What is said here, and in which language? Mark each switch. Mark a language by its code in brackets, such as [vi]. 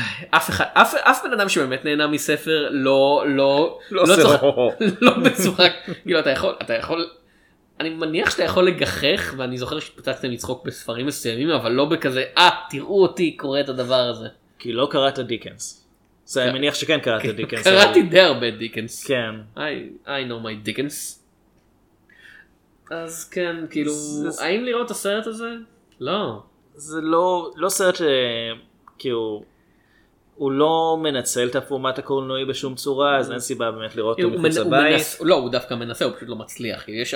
[he] אף בן אדם שבאמת נהנה מספר לא צריך. לא בצורה. גילו, אתה יכול... אני מניח שאתה יכול לגחך, ואני זוכר שפוצצתם לצחוק בספרים מסוימים, אבל לא בכזה, תראו אותי, קורא את הדבר הזה. כי לא קראת דיקנס. זה אני מניח שכן קראת דיקנס. קראתי די הרבה דיקנס. כן. [en] I know my דיקנס. [he] אז כן, כאילו, האם לראות את הסרט הזה? לא. זה לא סרט, כאילו, הוא לא מנצל את הפורמט הקולנועי בשום צורה, אז אין סיבה באמת לראות אותו מחוץ לבית. לא, הוא דווקא מנסה, הוא פשוט לא מצליח.